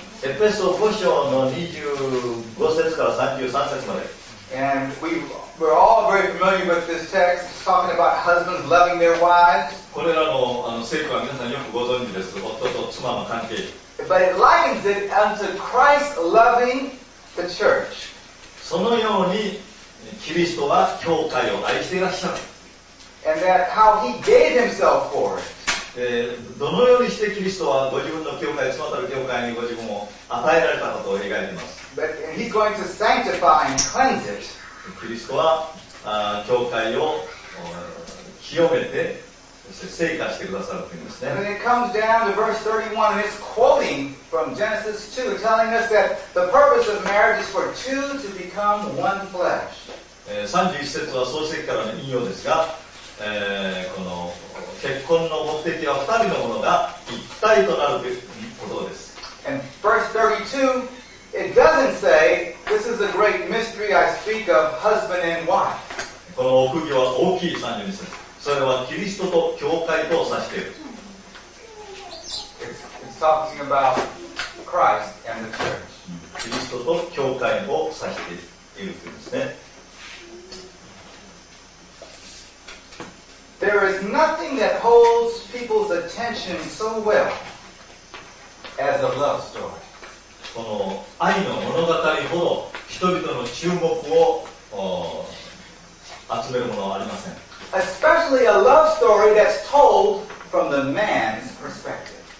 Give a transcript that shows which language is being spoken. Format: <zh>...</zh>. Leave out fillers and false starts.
<ja>エペソ5章の25節から33節まで。</ja> <en>And we're all very familiar with this text. It's talking about husbands loving their wives.</en> <ja>これらの聖句は皆さんよくご存知です。夫と妻の関係。</ja> <en>But it likens it unto Christ loving the church.</en> <ja>そのようにキリストは教会を愛していらっしゃる。</ja> <en>And that how he gave himself for it.</en> <ja>どのようにしてキリストはご自分の教会、妻たる教会にご自分を与えられたかと描いています。</ja> <en>But he's going to sanctify and cleanse it.</en> <ja>キリストは教会を清めて。聖化してくださるというんですね。</ja> <en>And it comes down to verse 31 and it's quoting from Genesis 2 telling us that the purpose of marriage is for two to become one flesh.</en> <ja>31節は創世記からの引用ですが、この結婚の目的は二人のものが一体となるということです。</ja> <en>And verse 32 it doesn't say this is a great mystery I speak of husband and wife.</en> <ja>この奥義は大きい32節、それはキリストと教会とを指している。</ja> <en>it's talking about Christ and the church.</en> <ja>キリストと教会を指しているというんですね。</ja> <en>There is nothing that holds people's attention so well as a love story.</en> <ja>この愛の物語ほど人々の注目を集めるものはありません。</ja> <en>Especially a love story that's told from the man's perspective.</en>